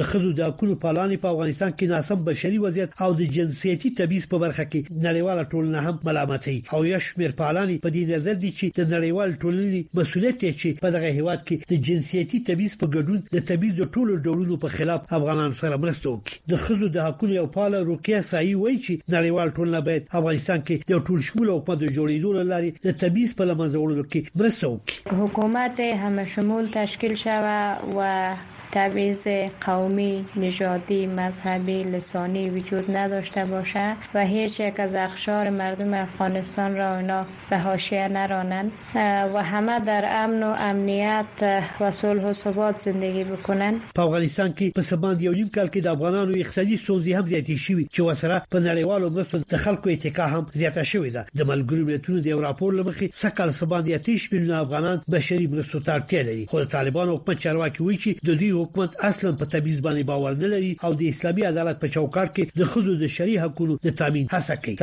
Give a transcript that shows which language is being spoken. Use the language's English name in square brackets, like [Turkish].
[Pashto] د ښځو د حقونو پالنې په افغانستان کې ناسم بشري وضعیت او د جنسیتي تبعیض په برخه کې نړیواله ټولنه هم ملامتۍ او یو شمېر پالنې په دې نظر دي چې د نړیوال ټولنې مسؤلیت دی چې په دغه هېواد کې د جنسیتي تبعیض په ګډون د تبعیض د ټولو ډولونو په خلاف افغانان سره مرسته وکړي. د ښځو د حقونو یو پاله روکیه سایی وایي چې نړیوال ټولنه باید افغانستان کې یو ټول شمول حکومت د جوړېدو له لارې د تبعیض په له منځه وړلو کې مرسته وکړي. [Persian] حکومت همه شمول تشکیل شوه و تبعیض قومی، نژادی، مذهبی، لسانی وجود نداشته باشه و هیچ یک از اقشار مردم افغانستان را اینا به حاشیه نرانند و همه در امن و امنیت و صلح و ثبات زندگی بکنن. [Pashto] په افغانستان کې په سباندی یو نیم کال کې د افغانانو اقتصادي سوزی هم زیاتی شوی چې وسره په نړیوالو مرستو د خلکو اتکا هم زیاته شوی ده. د ملګرو ملتونو د یو راپور له مخې سکل سباندی 30 میلیون افغانان بشری مرستو ته اړتیا لري. خو د طالبانو حکومت چارواکي وایي چې د دوی حکومت اصلا په تبعیض باندې باور نه لري او د اسلامي عدالت په چوکاټ کې د ښځو د شرعي حقونو د تامین هڅه کوي.